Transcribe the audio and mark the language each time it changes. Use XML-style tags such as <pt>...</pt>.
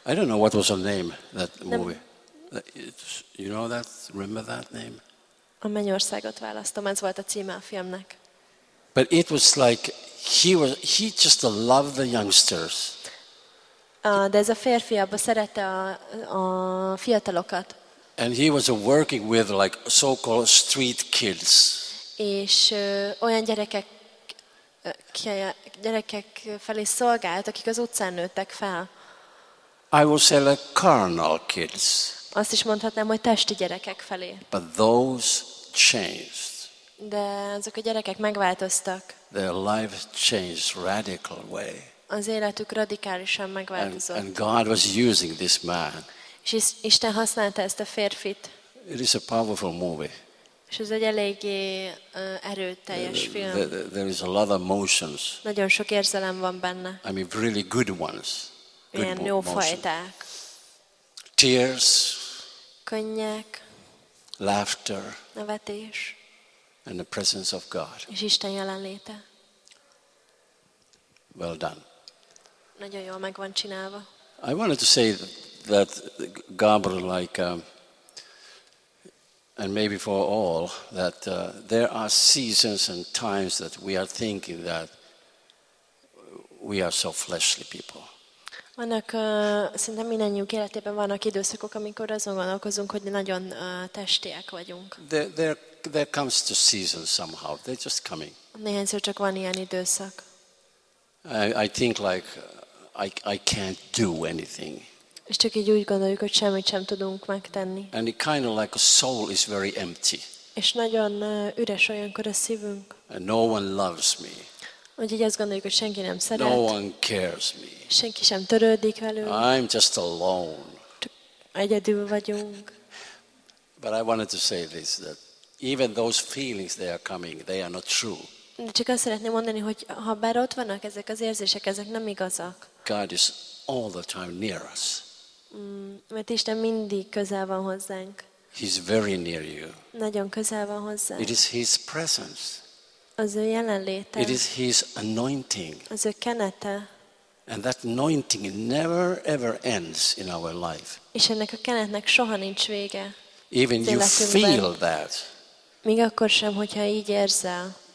<en>I don't know what was her name, that movie. You know that? Remember that name?</en> <hu>A mennyországot választom, ez volt a címe a filmnek.</hu> <en>But it was like he just loved the youngsters.</en> <hu>De ez a férfi abba szerette a fiatalokat.</hu> <en>And he was working with like so-called street kids.</en> <hu>És olyan gyerekek felé szolgált, akik az utcán nőttek fel.</hu> <en>I would say like carnal kids.</en> <hu>Azt is mondhatnám, hogy testi gyerekek felé.</hu> <en>But those changed.</en> <hu>De azok a gyerekek megváltoztak.</hu> <en>Their life changed radical way.</en> <hu>Az életük radikálisan megváltozott.</hu> <en>And God was using this man.</en> <hu>És Isten használta ezt a férfit.</hu> <en>It is a powerful movie.</en> <hu>És ez egy eléggé erőteljes film.</hu> <en>There is a lot of emotions.</en> <hu>Nagyon sok érzelem van benne.</hu> <en>I mean really good ones.</en> <hu>Ilyen jó fajták.</hu> <en>Tears.</en> <hu>Könnyek.</hu> <en>Laughter.</en> <hu>Nevetés.</hu> <en>And the presence of God.</en> <hu>És Isten jelenléte.</hu> <en>Well done.</en> <hu>Nagyon jól meg van csinálva.</hu> <en>I wanted to say that Gabriel, like, and maybe for all, that there are seasons and times that we are thinking that we are so fleshly people.</en> <hu>Vannak, szerintem mindannyiunk életében vannak időszakok, amikor azon gondolkozunk, hogy nagyon testiek vagyunk.</hu> <en>There comes the season somehow. They're just coming.</en> <hu>Néhányszor csak van ilyen időszak.</hu> <en>I think like I can't do anything.</en> <hu>És csak így úgy gondoljuk, hogy semmit sem tudunk megtenni.</hu> <en>And it kind of like a soul is very empty.</en> <hu>És nagyon üres olyankor a szívünk.</hu> <en>And no one loves me.</en> <hu>Úgy így azt gondoljuk, hogy senki nem szeret.</hu> <en>No one cares me.</en> <hu>Senki sem törődik velünk.</hu> <en>I'm just alone.</en> <hu>Egyedül vagyunk.</hu> <en>But I wanted to say this, that even those feelings they are coming, they are not true.</en> <hu>De csak azt szeretném mondani, hogy ha bár ott vannak ezek az érzések, ezek nem igazak.</hu> <en>God is all the time near us.</en> <hu>Mert Isten mindig közel van hozzánk.</hu> <en>He's very near you.</en> <hu>Nagyon közel van hozzánk.</hu> <en>It is his presence.</en> <hu>Az ő jelenléte.</hu> <en>It is his anointing.</en> <hu>Az ő kenete.</hu> <en>And that anointing never ever ends in our life.</en> <hu>És ennek a kenetnek soha nincs vége.</hu> <en>Even you feel that.</en> <hu>Még akkor sem, hogyha így érzel.</hu>